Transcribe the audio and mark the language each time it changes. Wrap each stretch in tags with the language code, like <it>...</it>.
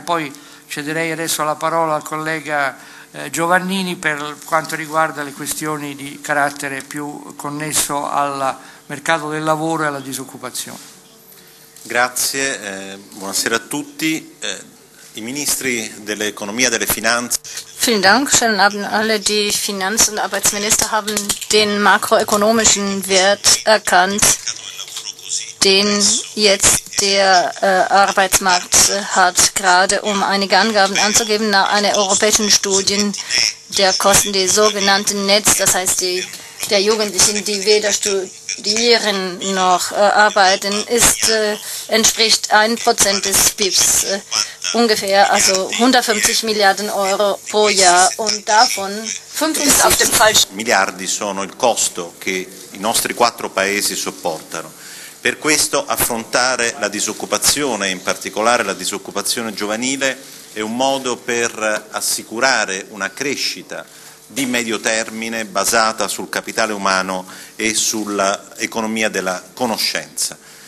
<it>Poi cederei adesso la parola al collega Giovannini per quanto riguarda le questioni di carattere più connesso al mercato del lavoro e alla disoccupazione. Grazie, buonasera a tutti. I ministri dell'economia e delle finanze.</it> <de>Vielen Dank, schönen Abend. Alle die Finanz- und Arbeitsminister haben den makroökonomischen Wert erkannt, den jetzt der Arbeitsmarkt hat. Gerade um einige Angaben anzugeben, nach einer europäischen Studie der Kosten, die sogenannten Netz, das heißt der Jugendlichen, die weder studieren noch arbeiten, entspricht 1% des BIPs ungefähr, also 150 Milliarden Euro pro Jahr, und davon 50</de> <it>Milliardi sono il costo che i nostri quattro paesi sopportano. Per questo affrontare la disoccupazione, in particolare la disoccupazione giovanile, è un modo per assicurare una crescita di medio termine basata sul capitale umano e sull'economia della conoscenza.</it>